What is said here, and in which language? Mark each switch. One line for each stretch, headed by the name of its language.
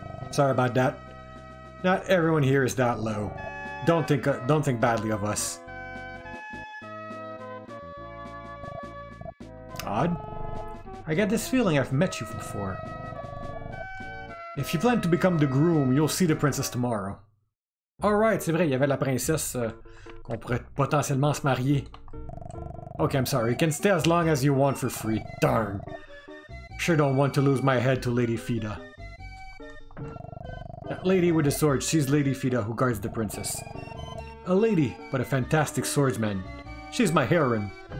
English: Sorry about that. Not everyone here is that low. Don't think badly of us. Odd. I get this feeling I've met you before. If you plan to become the groom, you'll see the princess tomorrow.
French: All right, c'est vrai, il y avait la princesse qu'on pourrait potentiellement se marier.
English: Okay, I'm sorry. You can stay as long as you want for free. Darn. Sure don't want to lose my head to Lady Fida. That lady with the sword, she's Lady Fida who guards the princess. A lady, but a fantastic swordsman. She's my heroine.